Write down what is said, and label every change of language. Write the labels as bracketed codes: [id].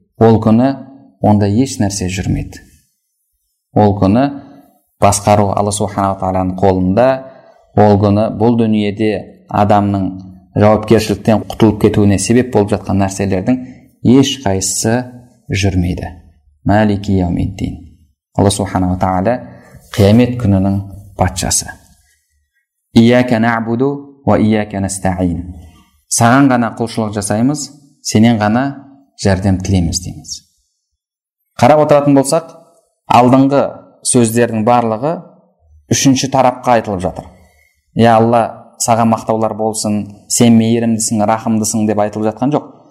[kk] Ол күні онда еш нәрсе жүрмейді. Ол күні басқару Алла субхана ва тааляның қолында. Ол күні бұл дүниеде адамның жауапкершіліктен құтылып кетуіне себеп болып жатқан нәрселердің еш қайсысы жүрмейді. [ar] Малики яумиддин. [kk] Алла субхана ва тааля қиямет күнінің патшасы. [ar] Ияка наъбуду ва ияка настаин. [kk] Саған ғана құлшылық жасаймыз. Сенен ғана жәрдем тілейміз дейміз. Қарап отыратын болсақ, алдыңғы сөздердің барлығы үшінші тарапқа айтылып жатыр. Я Алла, саған мақтаулар болсын, сен мейірімдісің, рахымдысың деп айтылып жатқан жоқ.